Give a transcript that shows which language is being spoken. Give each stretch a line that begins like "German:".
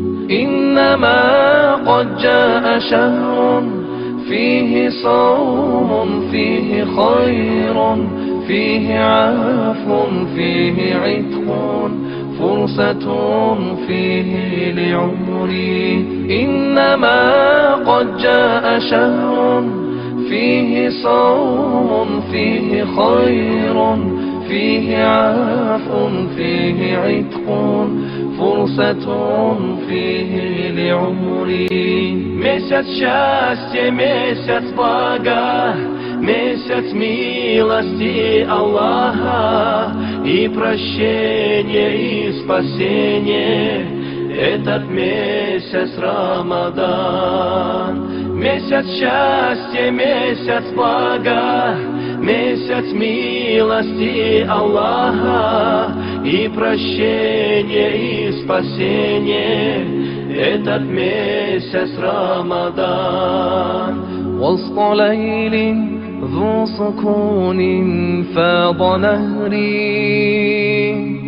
Arabic: إنما قد جاء شهر فيه صوم فيه خير فيه عفو فيه عتق فرصة فيه لعمري إنما قد جاء شهر فيه صوم فيه خير فيه عفو فيه عتق فرصة فيه لعمري
Russian: месяц счастья, месяц блага, месяц милости Аллаха и прощения и спасения. Этот месяц Рамадан. Месяц счастья, месяц блага, месяц милости Аллаха и прощения и спасения. Этот месяц Рамадан.
Arabic: وسط ليل ذو سكون فاض نهري